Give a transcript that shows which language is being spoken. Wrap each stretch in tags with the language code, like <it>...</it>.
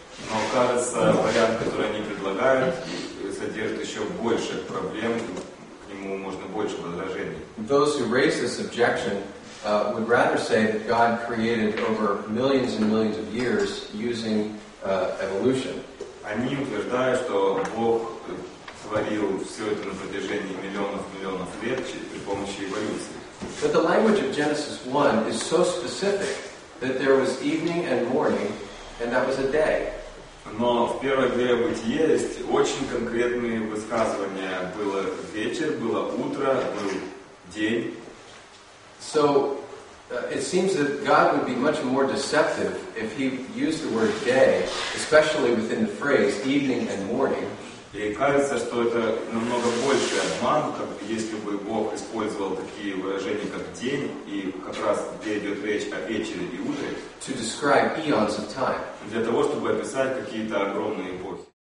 <ru>Но кажется, вариант, который они предлагают, содержит еще больше проблем, к нему можно больше возражений.</ru> <en>Those who raise this objection would rather say that God created over millions and millions of years using evolution.</en> <ru>Они утверждают, что Бог творил все это на протяжении миллионов лет при помощи эволюции.</ru> <en>But the language of Genesis 1 is so specific that there was evening and morning, and that was a day.</en> <ru>Но в первой главе Бытия есть очень конкретные высказывания. Было вечер, было утро, был день.</ru> <en>So it seems that God would be much more deceptive if he used the word day, especially within the phrase evening and morning.</en> <ru>И кажется, что это намного больше обман, как если бы Бог использовал такие выражения, как день, и как раз где идет речь о вечере и утре,</ru> <en>to describe eons of time.</en> <ru>Для того, чтобы описать какие-то огромные эпохи.</ru>